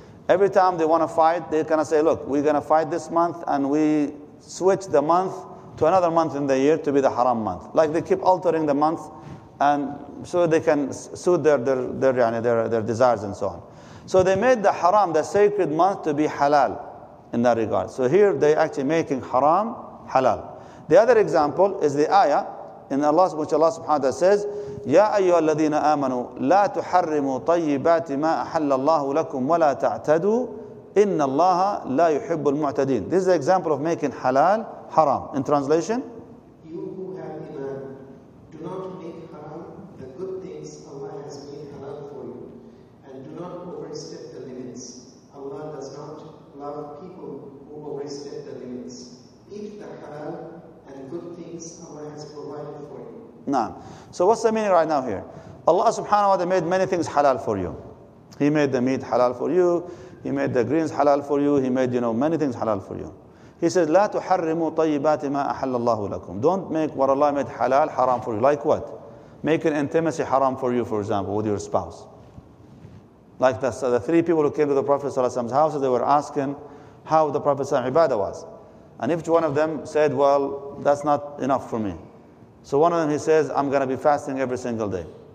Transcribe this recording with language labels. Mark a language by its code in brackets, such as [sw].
[en] Every time they want to fight, they kind of say, look, we're going to fight this month, and we switch the month to another month in the year to be the haram month. Like they keep altering the month and so they can suit their desires and so on. So they made the haram, the sacred month, to be halal in that regard. So here they actually making haram halal. The other example is the ayah in Allah, which Allah subhanahu wa ta'ala says, [ar] يَا أَيُّهَا الَّذِينَ آمَنُوا لَا تُحَرِّمُوا طَيِّبَاتِ مَا أَحَلَّ اللَّهُ لَكُمْ وَلَا تَعْتَدُوا إِنَّ اللَّهَ لَا يُحِبُّ الْمُعْتَدِينَ. [en] This is the example of making halal haram. In translation, you who have iman, do not make haram the good things Allah has made halal for you, and do not overstep the limits. Allah does not love people who overstep the limits. Eat the halal and good things Allah has provided for you. [ar] Naam. [en] So what's the meaning right now here? Allah subhanahu wa ta'ala made many things halal for you. He made the meat halal for you. He made the greens halal for you. He made, you know, many things halal for you. He says, [ar] لا تحرموا طيبات ما أحل الله لكم. [en] Don't make what Allah made halal haram for you. Like what? Make an intimacy haram for you, for example, with your spouse. Like this, the three people who came to the Prophet ﷺ's house, they were asking how the Prophet ﷺ's ibadah was. And each one of them said, well, that's not enough for me. So one of them, he says, I'm going to be fasting every single day.